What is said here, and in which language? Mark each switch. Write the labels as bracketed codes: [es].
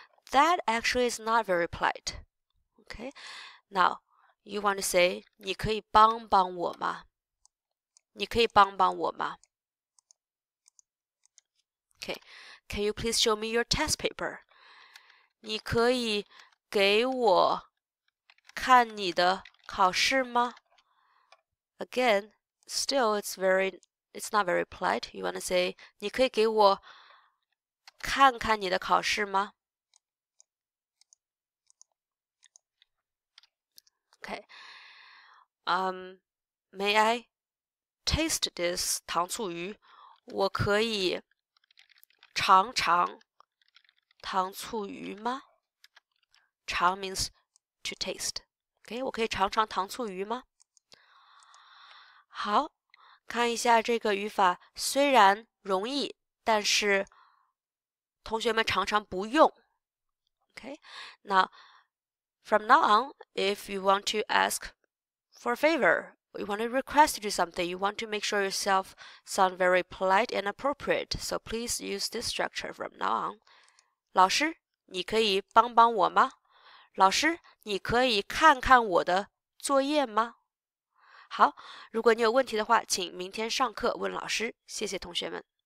[en] That actually is not very polite. Okay, now, you want to say, [zh] 你可以帮帮我吗? 你可以帮帮我吗? [en] Okay, can you please show me your test paper? [zh] 你可以给我看你的考试吗? [en] Again, still it's not very polite. You want to say, [zh] 你可以给我看看你的考试吗? [en] Okay, may I taste this 糖醋鱼? [zh] 我可以尝尝糖醋鱼吗？ [en] 尝 means to taste. Okay, [zh] 我可以尝尝糖醋鱼吗？好，看一下这个语法，虽然容易，但是同学们常常不用。 [en] Okay, now from now on, if you want to ask for a favor, you want to request to do something, you want to make sure yourself sound very polite and appropriate. So please use this structure from now on. [zh] 老师，你可以帮帮我吗？老师，你可以看看我的作业吗？好，如果你有问题的话，请明天上课问老师。谢谢同学们。